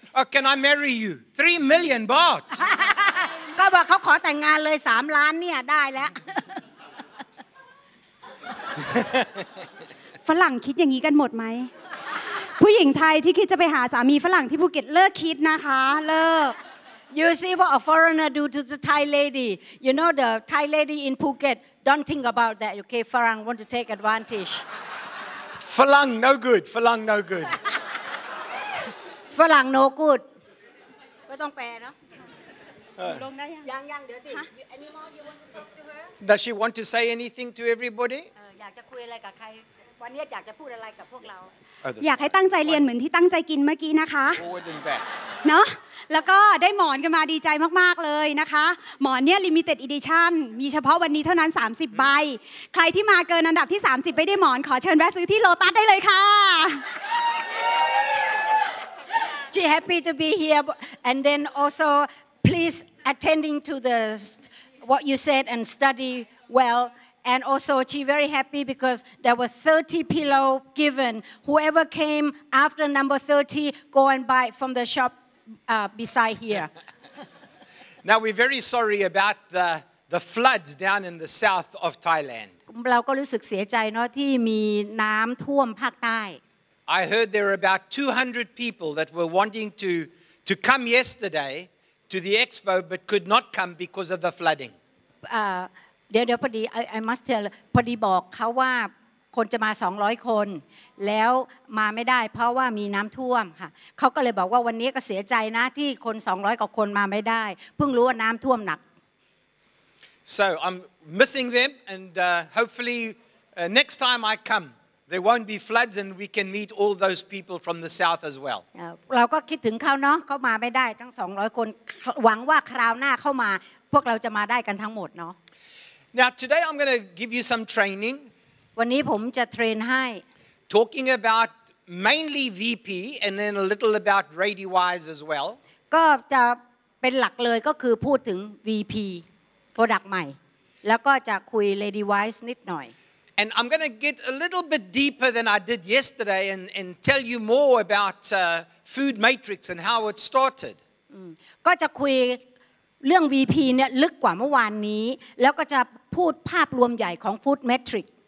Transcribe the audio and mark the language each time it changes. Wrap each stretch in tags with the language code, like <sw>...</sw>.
<en>Oh, can I marry you? 3 million baht.</en> <th>ก็บอกเขาขอแต่งงานเลย3ล้านเนี่ยได้แล้ว ฝรั่งคิดอย่างนี้กันหมดไหมผู้หญิงไทยที่คิดจะไปหาสามีฝรั่งที่ภูเก็ตเลิกคิดนะคะเลิก</th> <en>You see what a foreigner do to the Thai lady. You know the Thai lady in Phuket don't think about that. Okay, ฝรั่ง want to take advantage. ฝรั่ง no good. ฝรั่ง no good. ฝรั่ง no good</en> <th>ไม่ต้องแปลเนาะ ลงได้ยัง ยังเดี๋ยวติ</th> <en>any more you want to talk to her Does she want to say anything to everybody</en> <th>อยากจะคุยอะไรกับใครวันนี้อยากจะพูดอะไรกับพวกเรา อยากให้ตั้งใจเรียนเหมือนที่ตั้งใจกินเมื่อกี้นะคะเนาะแล้วก็ได้หมอนกันมาดีใจมากๆเลยนะคะหมอนเนี่ย limited edition มีเฉพาะวันนี้เท่านั้น30ใบใครที่มาเกินอันดับที่30ไปได้หมอนขอเชิญแวะซื้อที่โลตัสได้เลยค่ะ</th> <en>She happy to be here, and then also please attending to the what you said and study well. And also she very happy because there were 30 pillow given. Whoever came after number 30, go and buy from the shop beside here. Now we're very sorry about the floods down in the south of Thailand.</en> <th>เราก็รู้สึกเสียใจเนาะที่มีน้ำท่วมภาคใต้</th> <en>I heard there were about 200 people that were wanting to come yesterday to the expo but could not come because of the flooding.</en> <th>เดี๋ยวพอดี</th> <en>I must tell</en> <th>พอดีบอกเขาว่าคนจะมา200คนแล้วมาไม่ได้เพราะว่ามีน้ําท่วมค่ะเขาก็เลยบอกว่าวันนี้ก็เสียใจนะที่คน200กว่าคนมาไม่ได้เพิ่งรู้ว่าน้ําท่วมหนัก</th> <en>So I'm missing them and hopefully next time I comeThere won't be floods and we can meet all those people from the south as well.</en> <th>เราก็คิดถึงเขาเนาะเขามาไม่ได้ทั้ง200คนหวังว่าคราวหน้าเข้ามาพวกเราจะมาได้กันทั้งหมดเนาะ</th> <en>Now today I'm going to give you some training.</en> <th>วันนี้ผมจะเทรนให้</th> <en>Talking about mainly VP and then a little about radio wise as well.</en> <th>ก็จะเป็นหลักเลยก็คือพูดถึง VP product ใหม่แล้วก็จะคุย radio wise นิดหน่อย</th> <en>And I'm going to get a little bit deeper than I did yesterday and tell you more about food matrix and how it started.</en> <th>ก็จะคุยเรื่อง VP เนี่ยลึกกว่าเมื่อวานนี้แล้วก็จะพูดภาพรวมใหญ่ของ food matrix.</th>